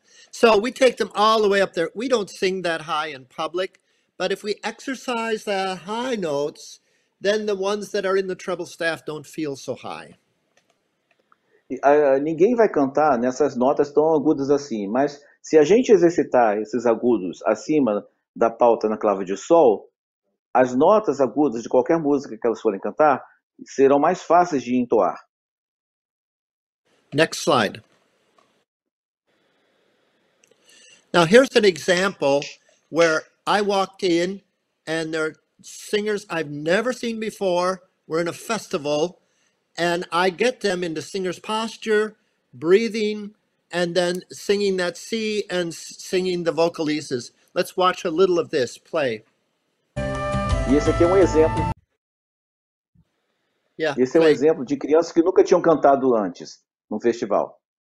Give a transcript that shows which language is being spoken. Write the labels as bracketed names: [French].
[English] So we take them all the way up there. We don't sing that high in public, but if we exercise the high notes, then the ones that are in the treble staff don't feel so high. [Portuguese] Ninguém vai cantar nessas notas tão agudas assim, mas se a gente exercitar esses agudos acima da pauta na clave de sol, as notas agudas de qualquer música que elas forem cantar serão mais fáceis de entoar. [English] Next slide. Now here's an example where I walked in and there are singers I've never seen before. We're in a festival and I get them into singer's posture, breathing, and then singing that C and singing the vocalises. Let's watch a little of this play. [Portuguese] Esse aqui é um exemplo. [English] Yeah, [Portuguese] esse play. É um exemplo de crianças que nunca tinham cantado antes. Num festival.